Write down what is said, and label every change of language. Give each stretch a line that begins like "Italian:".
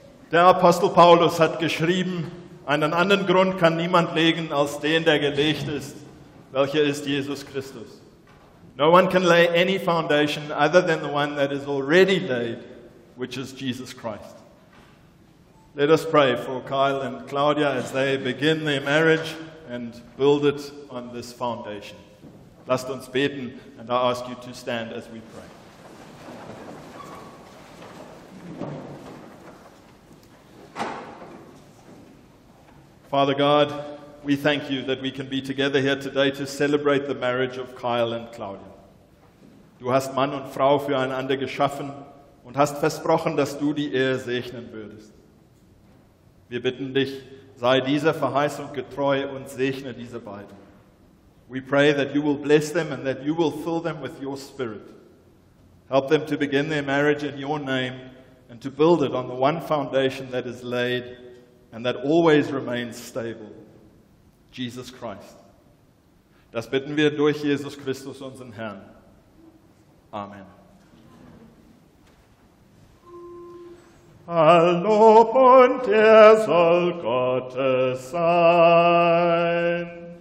German: Der Apostel Paulus hat geschrieben, einen anderen Grund kann niemand legen als den, der gelegt ist, welcher ist Jesus Christus.
English: No one can lay any foundation other than the one that is already laid, which is Jesus Christ. Let us pray for Kyle and Claudia as they begin their marriage and build it on this foundation.
German: Lasst uns beten,
English: and I ask you to stand as we pray. Father God, we thank you that we can be together here today to celebrate the marriage of Kyle and Claudia.
German: Du hast Mann und Frau füreinander geschaffen und hast versprochen, dass du die Ehe segnen würdest. Wir bitten dich, sei dieser Verheißung getreu und segne diese beiden.
English: We pray that you will bless them and that you will fill them with your spirit. Help them to begin their marriage in your name and to build it on the one foundation that is laid and that always remains stable, Jesus Christ.
German: Das bitten wir durch Jesus Christus, unseren Herrn. Amen. Hallo und er soll Gottes sein.